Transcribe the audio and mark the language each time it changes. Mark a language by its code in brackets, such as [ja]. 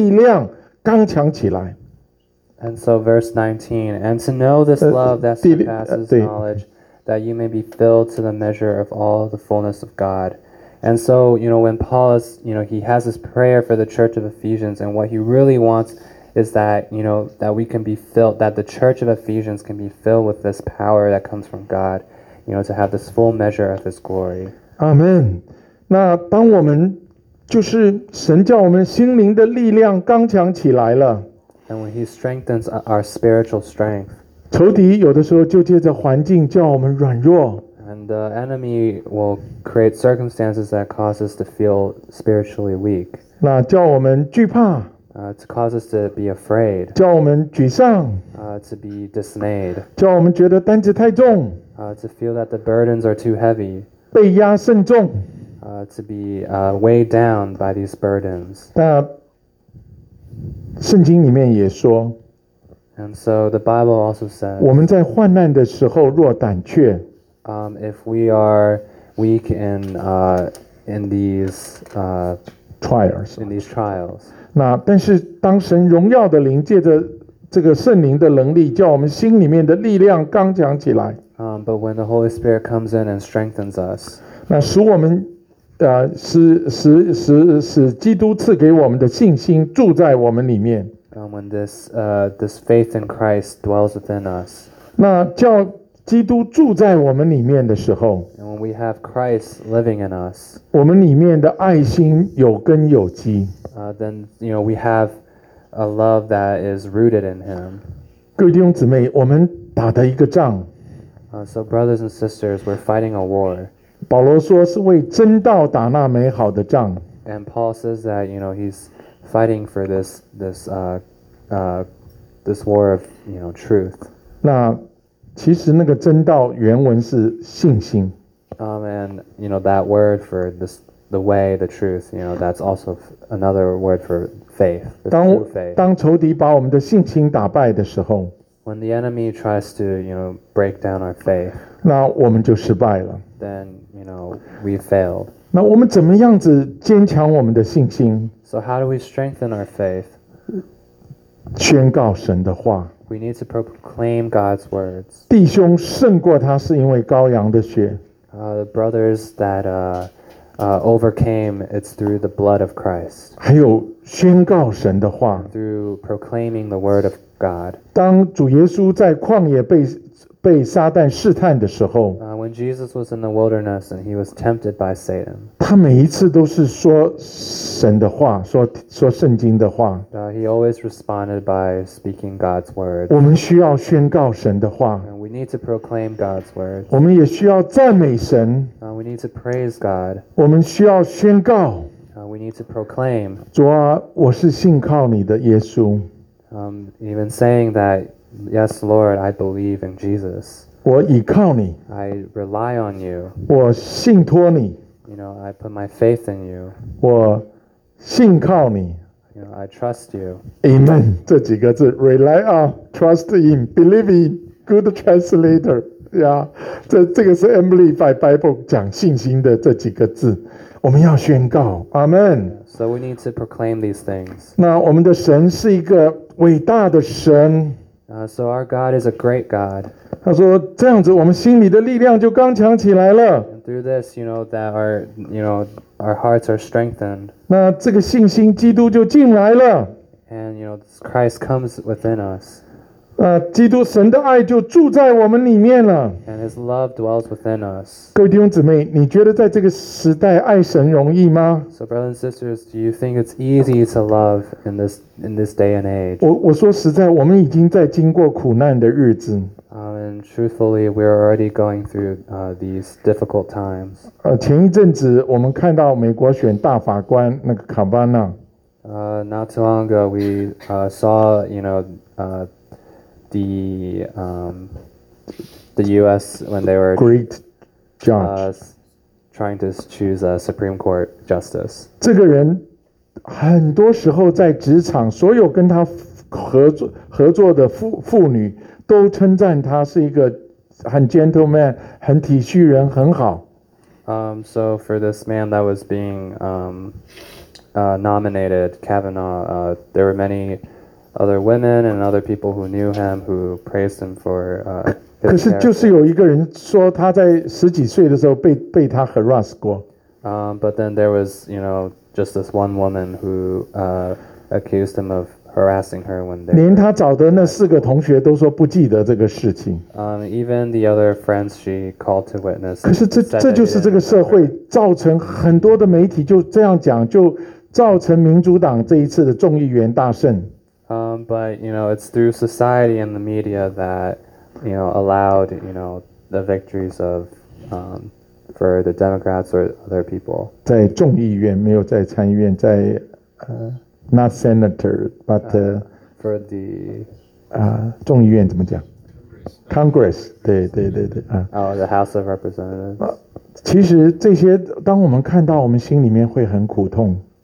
[en] And so verse 19, and to know this love that surpasses knowledge, that you may be filled to the measure of all the fullness of God. And so, you know, when Paul is, you know, he has this prayer for the church of Ephesians, and what he really wants is that, you know, that we can be filled, that the church of Ephesians can be filled with this power that comes from God, you know, to have this full measure of his glory. Amen. [zh] 那当我们就是神叫我们心灵的力量刚强起来了。 [en] And when he strengthens our spiritual strength, [zh] 仇敌有的时候就借着环境叫我们软弱, [en] and the enemy will create circumstances that cause us to feel spiritually weak, [zh] 那叫我们惧怕, [en] to cause us to be afraid, [zh] 叫我们沮丧, [en] to be dismayed, [zh] 叫我们觉得担子太重, [en] to feel that the burdens are too heavy, [zh] 被压甚重, [en] to be weighed down by these burdens. [zh] 圣经里面也说, [en] and so the Bible also says, [zh] 我们在患难的时候若胆怯, [en] if we are weak in these trials, in these trials. [zh] 那但是当神荣耀的灵借着这个圣灵的能力，叫我们心里面的力量刚强起来, [en] but when the Holy Spirit comes in and strengthens us, [zh] 那使我们 使基督赐给我们的信心住在我们里面。 [en] When this faith in Christ dwells within us. [zh] 那叫, 基督住在我们里面的时候 [en] And when we have Christ living in us, [zh] 我们里面的爱心有根有基 [en] then you know, we have a love that is rooted in him. [zh] 各位弟兄姊妹，我们打的一个仗 [en] So brothers and sisters, we're fighting a war. [zh] 保罗说是为真道打那美好的仗 [en] And Paul says that, you know, he's fighting for this war of, you know, truth. [zh] 那其实那个真道原文是信心。 [en] And you know that word for this, the way, the truth. You know that's also another word for faith. True faith. [zh] 当仇敌把我们的信心打败的时候 [en] ，When the enemy tries to you know break down our faith， [zh] 那我们就失败了。 [en] Then you know we failed。 [zh] 那我们怎么样子坚强我们的信心 [en] ？So how do we strengthen our faith？ [zh] 宣告神的话。 [en] We need to proclaim God's words. [zh] 弟兄胜过他是因为羔羊的血。 [en] The brothers that overcame, it's through the blood of Christ. [zh] 还有宣告神的话。 [en] Through proclaiming the word of God. [zh] 当主耶稣在旷野被撒旦试探的时候。 [en] When Jesus was in the wilderness and he was tempted by Satan. [zh] 他每一次都是说神的话 说圣经的话 [en] He always responded by speaking God's word [zh] 我们需要宣告神的话 [en] And we need to proclaim God's word [zh] 我们也需要赞美神 [en] We need to praise God [zh] 我们需要宣告 [en] We need to proclaim [zh] 主啊我是信靠你的耶稣 [en] Even saying that Yes Lord I believe in Jesus [zh] 我倚靠你 [en] I rely on you [zh] 我信托你 [en] You know, I put my faith in you. [zh] 我信靠你。 [en] You know, I trust you. Amen. [zh] 这几个字 [en] ，rely on, trust in, believe in. Good translator. Yeah. [zh] 这个是 Amplified Bible 讲信心的这几个字。我们要宣告。Amen. [en] So we need to proclaim these things. [zh] 那我们的神是一个伟大的神。 [en] So our God is a great God. [zh] 他说这样子我们心里的力量就刚强起来了。 [en] Through this, you know, that our, you know, our hearts are strengthened. [zh] 那这个信心基督就进来了。 [en] And, you know, Christ comes within us. [zh] 基督神的爱就住在我们里面了。 [en] And his love dwells within us. [zh] 各位弟兄姊妹，你觉得在这个时代爱神容易吗 [en] ？So, brothers and sisters, do you think it's easy to love in this day and age? [zh] 我说实在，我们已经在经过苦难的日子。 [en] And truthfully, we're already going through these difficult times. [zh] 前一阵子我们看到美国选大法官那个卡巴纳。 [en] Not too long ago, we saw, you know, the U.S. when they were great judge trying to choose a Supreme Court justice. [zh] 这个人很多时候在职场，所有跟他合作的妇女。都称赞他是一个很 gentleman， 很体恤人，很好。 [en] So for this man that was being nominated, Kavanaugh, there were many other women and other people who knew him who praised him for. [zh] 可是就是有一个人说他在十几岁的时候被他 harass 过。 [en] But then there was, you know, just this one woman who accused him of. Harassing her when they [zh] 连他找的那四个同学都说不记得这个事情。 [en] Even the other friends she called to witness. [zh] 可是这就是这个社会造成很多的媒体就这样讲，就造成民主党这一次的众议员大胜。 [en] But you know it's through society and the media that you know allowed you know the victories of for the Democrats or other people. [zh] 在众议院没有在参议院，在 [en] Not senator, but for the [zh] 众议院怎么讲 ？Congress， 对对对对啊。 [en] The House of Representatives。 [zh] 其实这些，当我们看到，我们心里面会很苦痛。